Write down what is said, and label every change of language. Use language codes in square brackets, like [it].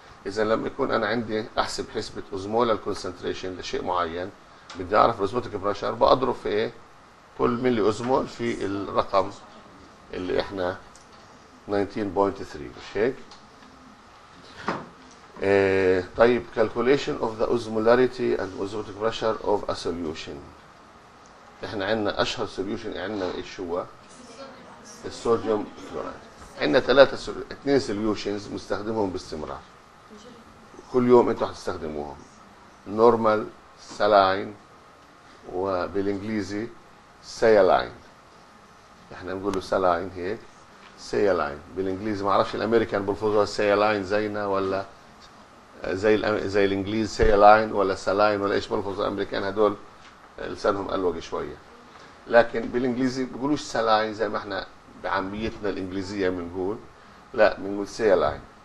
[ar] اذا لما يكون انا عندي احسب حسبه اوزمول الكونسنتريشن لشيء معين، بدي اعرف اوزموتيك بريشر، بضرب في كل ملي اوزمول في الرقم اللي احنا 19.3، مش هيك؟ طيب [en] calculation of the osmolarity and osmotic pressure of a solution. [ar] احنا عندنا اشهر solution عندنا ايش هو؟ الصوديوم كلورايد. عندنا اثنين solutions مستخدمهم باستمرار. كل يوم انتم هتستخدموهم. normal saline وبالانجليزي saline. احنا نقوله سالاين هيك سيلاين بالانجليزي، ما اعرفش الامريكان بلفظوها سيلاين زينا ولا زي الانجليز سيلاين ولا سالاين ولا ايش بلفظوا الامريكان، هدول لسانهم الوق شويه. لكن بالانجليزي بيقولوش سالاين زي ما احنا بعاميتنا الانجليزيه بنقول، لا بنقول سيلاين.